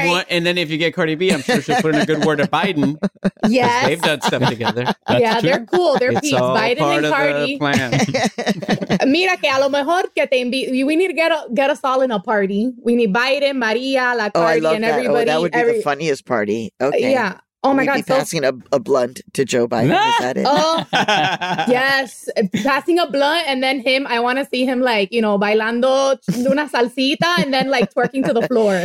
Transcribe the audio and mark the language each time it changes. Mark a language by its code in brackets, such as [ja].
[en] And then if you get Cardi B, I'm sure she'll put in a good word to Biden. Yes. They've done stuff together. They're cool. They're peeps. Biden part and Cardi. Of the plan. [es] Mira que a lo mejor que te invito. [en] We need to get us all in a party. We need Biden, Maria, La Cardi, and everybody. That. Oh, that the funniest party. Okay. Yeah. Oh my God. Be passing a blunt to Joe Biden. Is that it? Oh, yes. Passing a blunt, and then him, I want to see him, like, you know, [es] bailando una salsita [en] and then, like, twerking to the floor.